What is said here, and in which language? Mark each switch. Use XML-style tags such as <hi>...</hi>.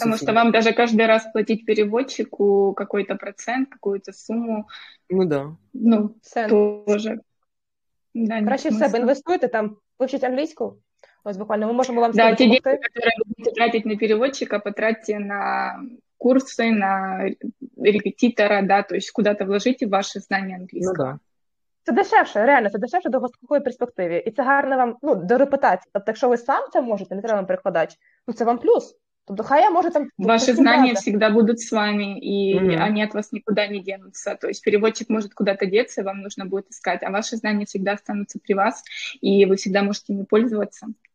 <uk>оцінювати. Тому що</uk> <ru>вам даже</ru> <uk>кожен</uk> <ru>раз платить переводчику какой-то процент, какую-то суму. Ну, да. Ну, тоже.</ru> <uk>Да, краще в себе інвестуєте, там, вивчити англійську. Ось буквально, ми можемо вам сьогодні допомогти. Да, ті дітки, які будете тратити на переводчика,</uk> <ru>потратьте</ru> <uk>на... курси,</uk> <ru>на репетитора, да, то есть куда-то вложите ваши знания английского. Ну, да.</ru> <uk>Це дешевше, реально, це дешевше в довгостроковій перспективі. І це гарно вам, ну, до репутації. Тобто, якщо ви сам це можете, не треба вам перекладач, ну, це вам плюс. Тобто, хай я можу там... Ваші знання завжди будуть з вами, і вони від вас нікуди не дінуться. Тобто,</uk> <ru>переводчик</ru> <uk>може</uk> <ru>куди-то</ru> <uk>дітися, вам потрібно буде шукати, а ваші знання завжди залишаться при вас, і ви завжди можете ними користуватися.</uk>